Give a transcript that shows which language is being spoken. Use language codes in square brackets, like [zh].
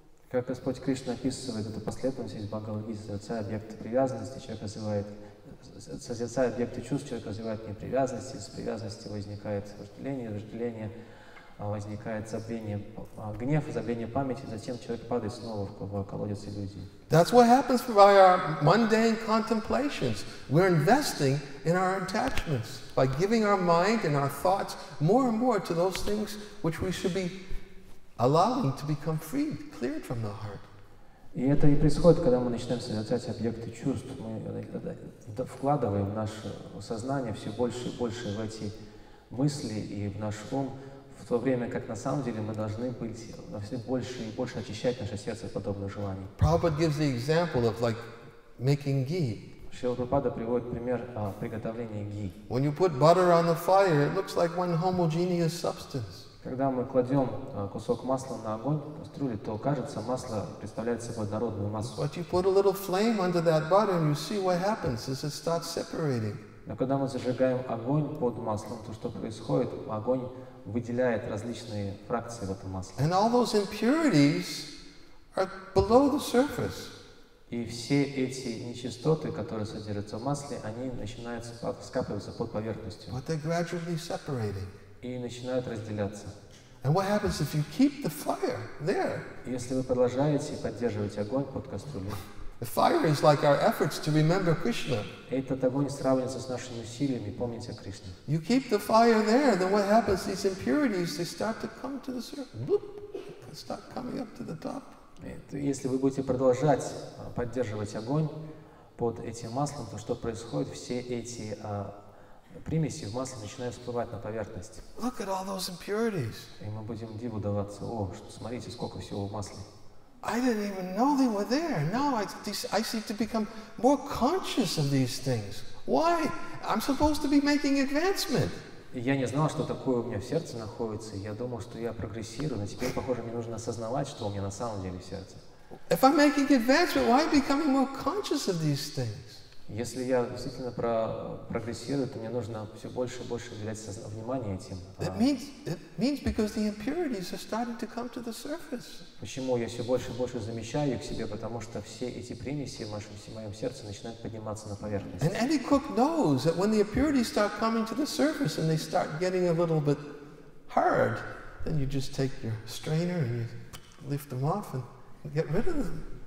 [ru] Как Господь Кришна описывает эту последовательность Бхагавад-гиты, объект привязанности человек развивает. Созерцая объекты чувств, человек развивает непривязанность, из привязанности возникает вожделение, из вожделения возникает забвение, гнев, забвение памяти, затем человек падает снова в колодец иллюзий. [en] That's what happens by our mundane contemplations. We're investing in our attachments by giving our mind and our thoughts more and more to those things which we should be allowing to become freed, cleared from the heart. [ru] И это и происходит, когда мы начинаем созерцать объекты чувств. Мы вкладываем в наше сознание все больше и больше в эти мысли и в наш ум, в то время как на самом деле мы должны быть на все больше и больше очищать наше сердце от подобных желаний. [en] Prabhupada gives the example of like making ghee. [ru] Шрила Прабхупада приводит пример приготовления ghee. [en] When you put butter on the fire, it looks like one homogeneous substance. [ru] Когда мы кладем кусок масла на огонь, кастрюлю, то кажется, масло представляет собой однородную массу. [en] But you put a little flame under that butter, and you see what happens as it starts separating. [ru] Но когда мы зажигаем огонь под маслом, то что происходит? Огонь выделяет различные фракции в этом масле. [en] And all those impurities are below the surface. [ru] И все эти нечистоты, которые содержатся в масле, они начинают скапливаться под поверхностью. [en] But they're gradually separating. [ru] И начинают разделяться. [en] And what happens if you keep the fire there? [ru] Если вы продолжаете поддерживать огонь под кастрюлей. [en] The fire is like our efforts to remember Krishna. [ru] Этот огонь сравнивается с нашими усилиями помнить о Кришне. [en] You keep the fire there, then what happens? These impurities, they start to come to the surface. Boop, they start coming up to the top. [ru] Если вы будете продолжать поддерживать огонь под этим маслом, то что происходит? Все эти примеси в масле начинают всплывать на поверхность. [en] Look at all those impurities. [ru] И мы будем диву даваться. О, что, смотрите, сколько всего в масле. [en] I didn't even know they were there. Now I seem to become more conscious of these things. Why? I'm supposed to be making advancement. [ru] Я не знал, что такое у меня в сердце находится. Я думал, что я прогрессирую, но теперь, похоже, мне нужно осознавать, что у меня на самом деле в сердце. [en] If I'm making advancement, why am I becoming more conscious of these things? [ru] Если я действительно прогрессирую, то мне нужно все больше и больше уделять внимание этим. [en] It means because the impurities are starting to come to the surface. [ru] Почему я все больше и больше замечаю их к себе? Потому что все эти примеси в моем сердце начинают подниматься на поверхность. [en] And any cook knows that when the impurities start coming to the surface and they start getting a little bit hard, then you just take your strainer and you lift them off and get rid of them.